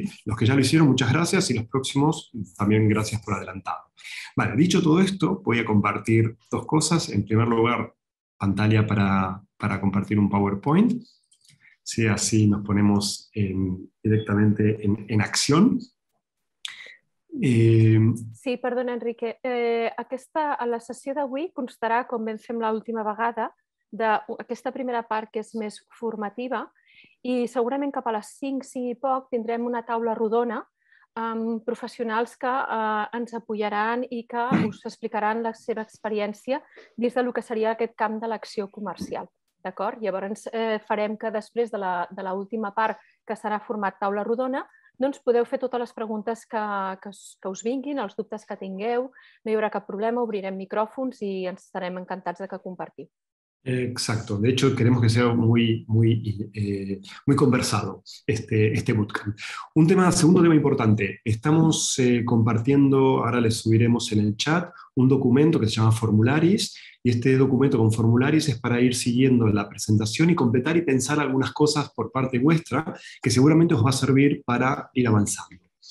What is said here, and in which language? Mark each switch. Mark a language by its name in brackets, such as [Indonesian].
[Spanish] Los que ya lo hicieron, muchas gracias, y los próximos también gracias por adelantado. Vale, dicho todo esto, voy a compartir dos cosas. En primer lugar, pantalla para compartir un PowerPoint, sí, así nos ponemos directamente en acción. Sí, perdona, Enrique. [Catalan] Aquesta, a la sessió d'avui constarà, com vam fer l'última vegada, d'aquesta primera part que és més formativa, i segurament cap a les 5, 5 i poc, tindrem una taula rodona amb professionals que ens apoyaran i que us explicaran la seva experiència dins del que seria aquest camp de l'acció comercial. D'acord? Llavors farem que després de l'última part, que serà format taula rodona, doncs podeu fer totes les preguntes que us vinguin, els dubtes que tingueu, no hi haurà cap problema, obrirem micròfons i ens estarem encantats de que compartiu. [Spanish] Exacto, de hecho queremos que sea muy, muy, muy conversado este bootcamp. Un tema, segundo tema importante, estamos compartiendo, ahora les subiremos en el chat, un documento que se llama Formularis, y este documento con Formularis es para ir siguiendo la presentación y completar y pensar algunas cosas por parte vuestra que seguramente os va a servir para ir avanzando.